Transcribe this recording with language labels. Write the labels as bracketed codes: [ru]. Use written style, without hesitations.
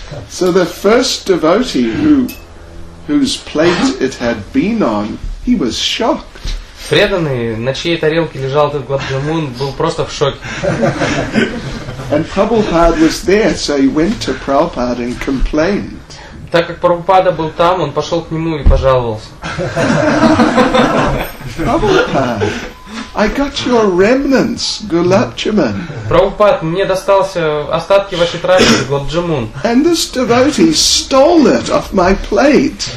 [en] So the first devotee whose plate it had been on, he was shocked. [ru] Преданный, на чьей тарелке лежал этот Гурачан, был просто в шоке. [en] And Prabhupada was there, so he went to Prabhupada and complained. [ru] Так как Прабхупада был там, он пошел к нему и пожаловался. [en] Prabhupada, I got your remnants, Gulabjamun. [ru] Прабхупад, мне достался остатки вашей трапезы, Гулабджамун. [en] And this devotee stole it off my plate.